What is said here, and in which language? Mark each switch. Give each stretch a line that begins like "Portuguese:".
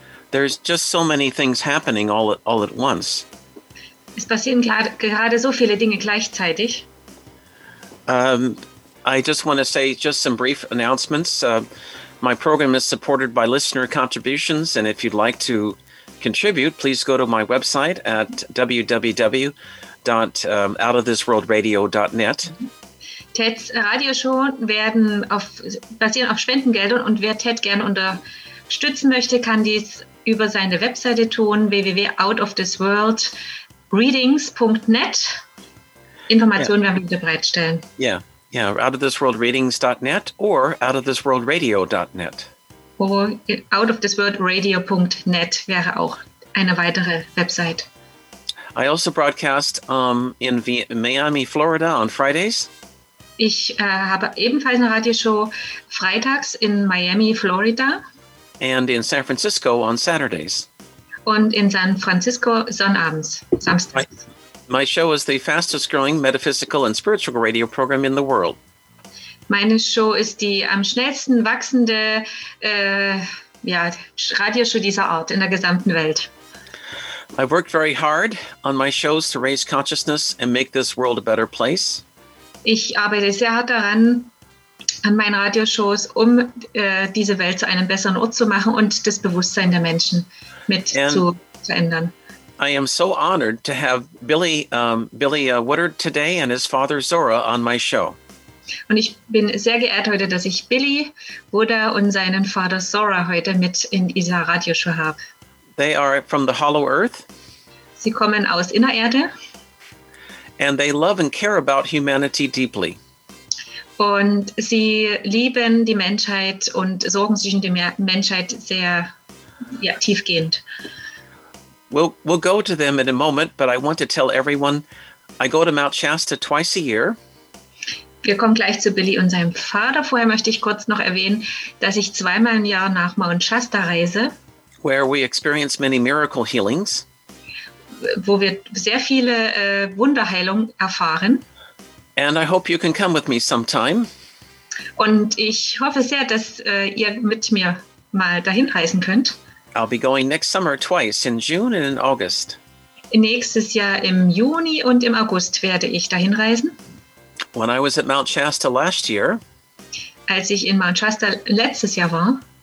English: There's just so many things happening all at once.
German: Es passieren gerade so viele Dinge gleichzeitig.
English: I just want to say just some brief announcements. My program is supported by listener contributions, and if you'd like to contribute, please go to my website at www.outofthisworldradio.net.
German: Teds Radioshow basieren auf Spendengeldern und wer Ted gerne unterstützen möchte, kann dies über seine Webseite tun, www.outofthisworldreadings.net. Informationen werden wir bereitstellen.
English: Yeah, outofthisworldreadings.net or outofthisworldradio.net.
German: Outofthisworldradio.net wäre auch eine weitere Website.
English: I also broadcast Miami, Florida on Fridays.
German: Ich habe ebenfalls eine Radioshow freitags in Miami, Florida.
English: And in San Francisco on Saturdays.
German: Und in San Francisco sonnabends, samstags.
English: My show is the fastest growing metaphysical and spiritual radio program in the world.
German: Meine Show ist die am schnellsten wachsende Radioshow dieser Art in der gesamten Welt.
English: I've worked very hard on my shows to raise consciousness and make this world a better place.
German: Ich arbeite sehr hart daran, an meinen Radioshows, diese Welt zu einem besseren Ort zu machen und das Bewusstsein der Menschen zu verändern.
English: I am so honored to have Billy Woodard today and his father Zora on my show.
German: Und ich bin sehr geehrt heute, dass ich Billy Woodard und seinen Vater Zora heute mit in dieser Radioshow habe.
English: They are from the Hollow Earth.
German: Sie kommen aus Innererde.
English: And they love and care about humanity deeply.
German: Und sie lieben die Menschheit und sorgen sich um die Menschheit sehr, ja, tiefgehend.
English: We'll go to them in a moment, but I want to tell everyone, I go to Mount Shasta twice a year.
German: Wir kommen gleich zu Billy und seinem Vater. Vorher möchte ich kurz noch erwähnen, dass ich zweimal im Jahr nach Mount Shasta reise.
English: Where we experience many miracle healings.
German: Wo wir sehr viele Wunderheilungen erfahren.
English: And I hope you can come with me sometime.
German: Und ich hoffe sehr, dass ihr mit mir mal dahin reisen könnt.
English: I'll be going next summer twice, in June and in August.
German: Nächstes Jahr im Juni und im August werde ich dahin reisen.
English: When I was at Mount Shasta last year,
German: als ich in Mount Shasta letztes Jahr war,